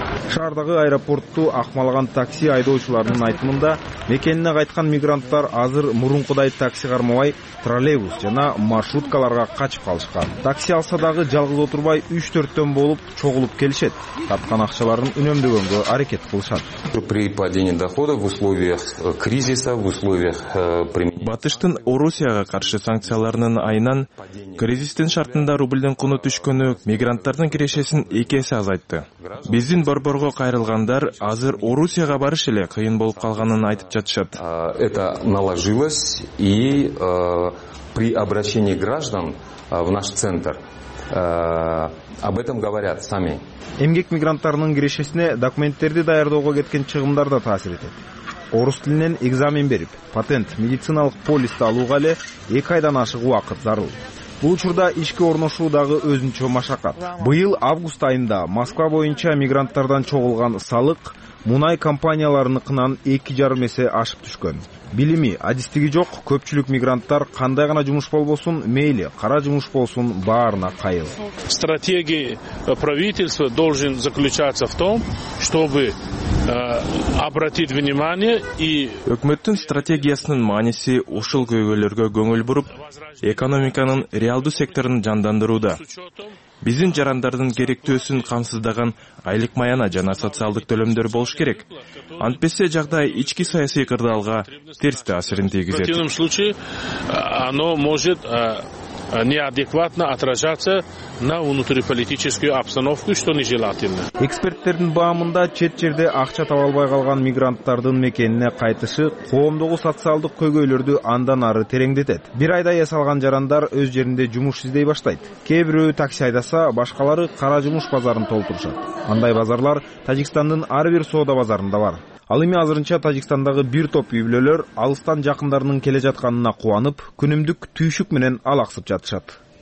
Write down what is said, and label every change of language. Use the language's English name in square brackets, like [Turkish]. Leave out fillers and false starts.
[Kyrgyz] Шаардагы аэропортту акмалаган такси айдоочуларынын айтымында мекенине кайткан мигранттар азыр мурункудай такси кармабай троллейбус жана маршруткаларга качып калышкан. Такси алса дагы жалгыз отурбай 3-4 болуп чогулуп келишет. Тапкан акчаларын үнөмдөгөнгө аракет кылышат. [Russian] При падении дохода в условиях кризиса, в условиях [Kyrgyz] Батыштын Орусияга каршы санкцияларынын айынан кризистин шартында рубльдин куну түшкөнү мигранттардын кирешесин 2 эсе азайтты. Биздин борборго кайрылгандар азыр Орусияга барыш эле кыйын болуп калганын айтып жатышат. [Russian] Это наложилось и при обращении граждан в наш центр об этом говорят сами. [Kyrgyz] Эмгек мигранттарынын кирешесине документтерди даярдоого кеткен чыгымдар да таасир этет. Орус тилинен экзамен берип, патент, медициналык полисти алууга эле 2 айдан ашык убакыт зарыл. Бул учурда ишке орношуу дагы өзүнчө машакат. Быйыл август айында Москва боюнча мигранттардан чогулган салык мунай компанияларыныкынан 2.5 эсе ашып түшкөн. Билими, адистиги жок көпчүлүк мигранттар кандай гана жумуш болбосун, мейли кара жумуш болсун, баарына кайыл. [Russian] Стратегия правительства должен заключаться в том, чтобы обратить внимание и [Kyrgyz] өкмөттүн стратегиясынын мааниси ушул көйгөйлөргө көңүл буруп, экономиканын реалдуу секторун жандандырууда. Биздин жарандардын керектөөсүн камсыздаган айлык маяна жана социалдык төлөмдөр болуш керек. Антпесе жагдай ички саясий кырдаалга терс таасирин тийгизет. [Russian] В противном случае оно может неадекватно отражаться на внутриполитическую обстановку, что нежелательно. [Kyrgyz] Эксперттердин баамында чет жерде акча таба албай калган мигранттардын мекенине кайтышы коомдогу социалдык көйгөйлөрдү андан ары тереңдетет. Бир айда эс алган жарандар өз жеринде жумуш издей баштайт. Кээ бирөө такси айдаса, башкалары кара жумуш базарын толтурушат. Андай базарлар Тажикстандын ар бир соода базарында бар. Ал эми азырынча Тажикстандагы бир топ үй бүлөлөр алыстан жакындарынын келе жатканына кубанып, күнүмдүк түйшүк менен алаксып жатышат.